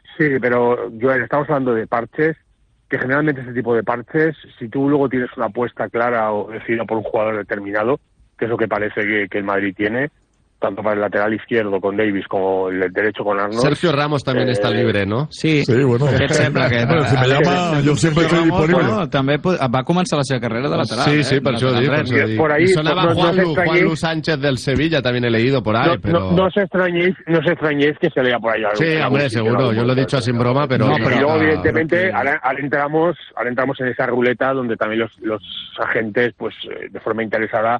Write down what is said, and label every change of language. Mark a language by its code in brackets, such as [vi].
[es] Sí, pero Joel, estamos hablando de parches, que generalmente ese tipo de parches, si tú luego tienes una apuesta clara o decidida por un jugador determinado, que es lo que parece que el Madrid tiene, tanto para el lateral izquierdo con Davis como el derecho con Arnold. Sergio Ramos también está libre, ¿no? Sí, sí, bueno. [ca] ¿Qué te sembla que... [es] bueno, si me llama, yo siempre estoy disponible. [ca] Bueno, també va començar la seva carrera de lateral. [es] Sí, sí, eh? [ca] Per això ho dic. [es] Sonava Juanlu Sánchez del Sevilla, también he leído por ahí, no, pero... No os extrañéis que se lea por ahí algo. Sí, hombre, seguro, yo lo he dicho así en broma, pero... No, pero y luego, evidentemente, ahora entramos en esa ruleta donde también los agentes, pues, de forma interesada...